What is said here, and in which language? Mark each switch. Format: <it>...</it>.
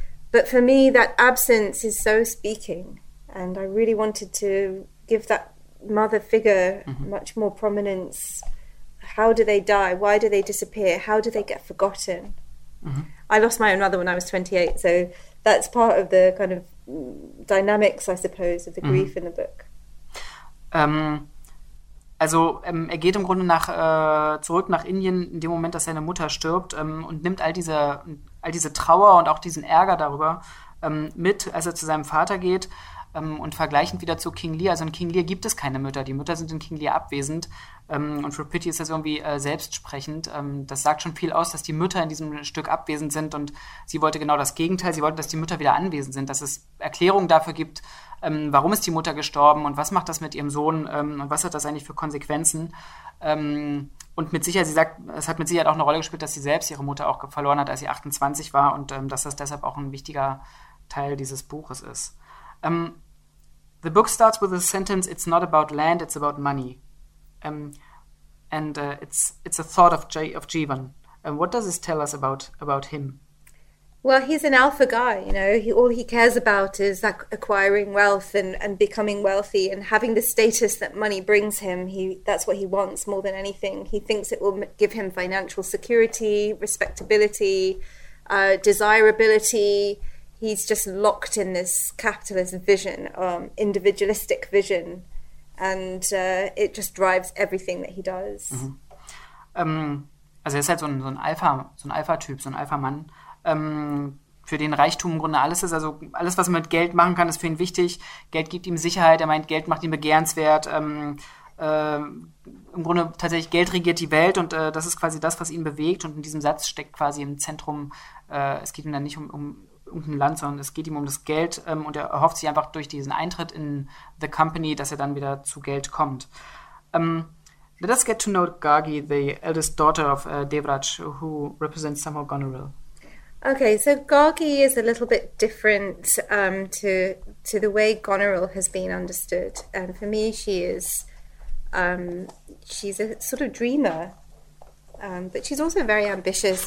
<en>But for me, that absence is so speaking. And I really wanted to give that mother figure much more prominence. How do they die? Why do they disappear? How do they get forgotten? I lost my own mother when I was 28, so that's part of the kind of dynamics, I suppose, of the grief in the book.</en> <de>Er geht im Grunde zurück nach Indien in dem Moment, dass seine Mutter stirbt, und nimmt all diese Trauer und auch diesen Ärger darüber mit, als er zu seinem Vater geht, und vergleichend wieder zu King Lear. Also in King Lear gibt es keine Mütter. Die Mütter sind in King Lear abwesend. Und für Pity ist das irgendwie selbstsprechend. Das sagt schon viel aus, dass die Mütter in diesem Stück abwesend sind. Und sie wollte genau das Gegenteil. Sie wollte, dass die Mütter wieder anwesend sind, dass es Erklärungen dafür gibt, warum ist die Mutter gestorben und was macht das mit ihrem Sohn und was hat das eigentlich für Konsequenzen. Und mit Sicherheit, sie sagt, es hat mit Sicherheit auch eine Rolle gespielt, dass sie selbst ihre Mutter auch verloren hat, als sie 28 war, und dass das deshalb auch ein wichtiger Teil dieses Buches ist.</de> <en>The book starts with a sentence: "It's not about land; it's about money." It's a thought of Jeevan. What does this tell us about him? Well, he's an alpha guy, you know. All he cares about is acquiring wealth and becoming wealthy and having the status that money brings him. That's what he wants more than anything. He thinks it will give him financial security, respectability, desirability. He's just locked in this capitalist vision, individualistic vision, and it just drives everything that he does.</en> <de>Also er ist halt so ein Alpha-Typ, so ein Alpha-Mann, für den Reichtum im Grunde alles ist. Also alles, was man mit Geld machen kann, ist für ihn wichtig. Geld gibt ihm Sicherheit, er meint, Geld macht ihn begehrenswert. Im Grunde tatsächlich Geld regiert die Welt und das ist quasi das, was ihn bewegt. Und in diesem Satz steckt quasi im Zentrum, es geht ihm dann nicht um irgendein Land, sondern es geht ihm um das Geld und er erhofft sich einfach durch diesen Eintritt in The Company, dass er dann wieder zu Geld kommt.</de> <en>Let us get to know Gargi, the eldest daughter of Devraj, who represents some of Goneril. Okay, so Gargi is a little bit different to the way Goneril has been understood. And for me, she's a sort of dreamer, but she's also very ambitious.</en>